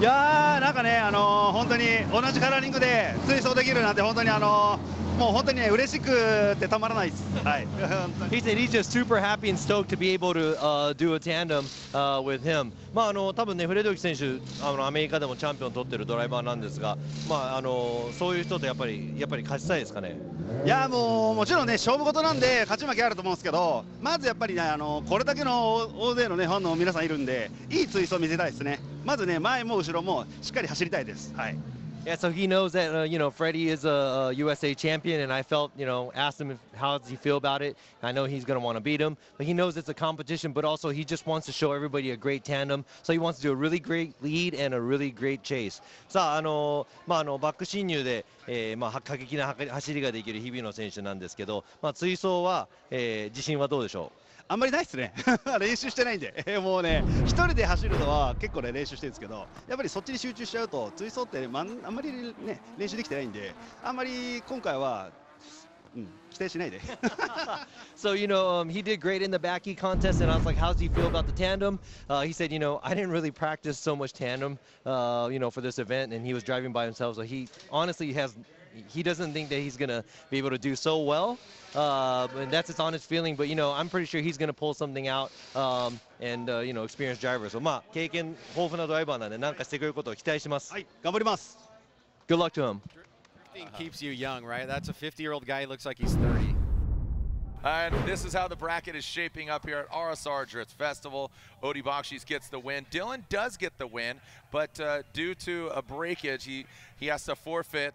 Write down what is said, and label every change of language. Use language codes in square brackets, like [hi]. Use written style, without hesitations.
[ja] いやー、なんかね、本当に同じカラーリングで追走できるなんて本当にもう本当にね、嬉しくてたまらないです。はい。 [en] He said he's just super happy and stoked to be able to do a tandem with him. [ja] まあ多分ね、フレドキ選手、アメリカでもチャンピオン取ってるドライバーなんですが、まあそういう人とやっぱり勝ちたいですかね。いやー、もちろんね、勝負事なんで勝ち負けあると思うんですけど、まずやっぱりね、これだけの大勢のね、ファンの皆さんいるんで、いい追走見せたいですね。まずね、前も後ろもしっかり走りたいです。はい。 [en] Yeah, so he knows that, you know, Freddie is a USA champion, and I felt, you know, asked him how does he feel about it. I know he's going to want to beat him, but he knows it's a competition, but also he just wants to show everybody a great tandem. So he wants to do a really great lead and a really great chase. [ja] さあ、バック進入で、過激な走りができる日比野選手なんですけど、追走は、自信はどうでしょう？あんまりないっすね。練習してないんで。もうね、一人で走るのは結構ね、練習してるんですけど、やっぱりそっちに集中しちゃうと、追走って、あんまりね、練習できてないんで、あんまり今回は、期待しないで。 [en] So, you know, he did great in the backy contest, and I was like, how's he feel about the tandem? He said, you know, I didn't really practice so much tandem, you know, for this event, and he was driving by himself, so he honestly has... He doesn't think that he's going to be able to do so well. And that's his honest feeling. But, you know, I'm pretty sure he's going to pull something out you know, experienced driver. [ja] So, 経験豊富なドライバーなんで、何かしてくれることを期待します。はい、頑張ります。 [en] Good luck to him. Drifting keeps you young, right? That's a 50-year-old guy. He looks like he's 30. And this is how the bracket is shaping up here at RSR Drift Festival. Odie Bakshis gets the win. Dylan does get the win, but due to a breakage, he has to forfeit.